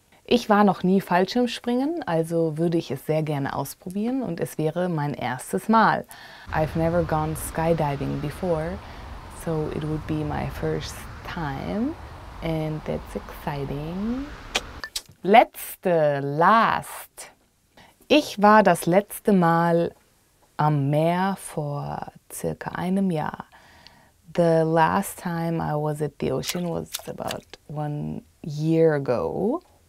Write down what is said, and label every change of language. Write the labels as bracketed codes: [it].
[de] Ich war noch nie Fallschirmspringen, also würde ich es sehr gerne ausprobieren und es wäre mein erstes Mal. [en] I've never gone skydiving before, so it would be my first time and that's exciting. [de] Letzte, last. Ich war das letzte Mal am Meer vor circa einem Jahr. [en] The last time I was at the ocean was about 1 year ago.